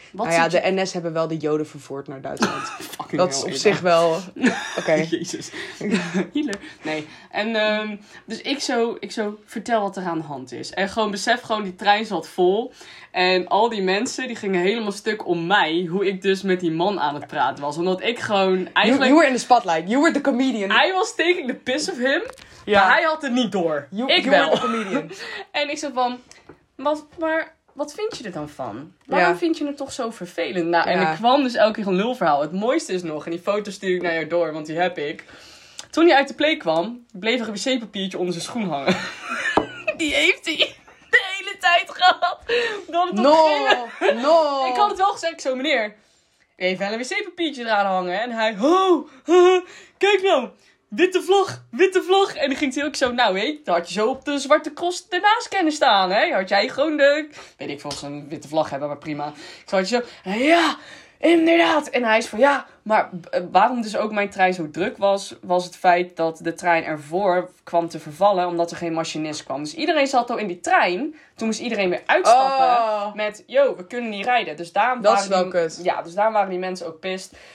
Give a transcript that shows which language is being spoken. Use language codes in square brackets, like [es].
[nl] Nou ja, de NS hebben wel de Joden vervoerd naar Duitsland. Fucking dat is op zich wel... Oké. Okay. Jezus. Hitler. Nee. En dus ik zo, vertel wat er aan de hand is. En gewoon besef, gewoon die trein zat vol. En al die mensen, die gingen helemaal stuk om mij. Hoe ik dus met die man aan het praten was. Omdat ik gewoon eigenlijk... [en] You were in the spotlight. You were the comedian. I was taking the piss of him. [nl] Ja. Maar hij had het niet door. [en] You were the comedian. [nl] En ik zo van... Maar wat vind je er dan van? Waarom vind je het toch zo vervelend? Nou, en er kwam dus elke keer een lulverhaal. Het mooiste is nog, en die foto stuur ik naar jou door, want die heb ik. Toen hij uit de play kwam, bleef er een wc-papiertje onder zijn schoen hangen. Die heeft hij de hele tijd gehad. Dat het [en] no. [nl] Ik had het wel gezegd, ik zo, meneer. Even wel een wc-papiertje eraan hangen. En hij, kijk nou. Witte vlag. En dan ging hij ook zo, nou hé, dan had je zo op de Zwarte Cross ernaast kennen staan, hè. Had jij gewoon de, weet ik volgens een witte vlag hebben, maar prima. Zo had je zo, ja, inderdaad. En hij is van, ja, maar waarom dus ook mijn trein zo druk was, was het feit dat de trein ervoor kwam te vervallen, omdat er geen machinist kwam. Dus iedereen zat al in die trein, toen moest iedereen weer uitstappen met, yo, we kunnen niet rijden. Dus daarom dat is wel kut. Ja, dus daarom waren die mensen ook pist.